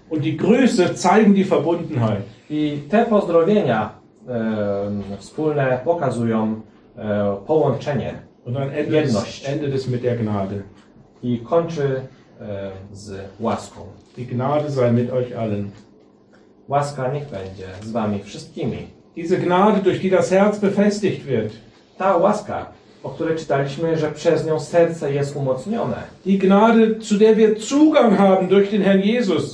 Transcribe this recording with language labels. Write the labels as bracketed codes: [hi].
[de] Und die Grüße zeigen die Verbundenheit. [pl] I te pozdrowienia wspólne pokazują połączenie, jedność. [de] Endet es mit der Gnade. [pl] I kończy z łaską. [de] Die Gnade sei mit euch allen. [pl] Łaska niech będzie z wami wszystkimi. [de] Diese Gnade, durch die das Herz befestigt wird. [pl] Ta łaska, o której czytaliśmy, że przez nią serce jest umocnione. [de] Die Gnade, zu der wir Zugang haben durch den Herrn Jesus.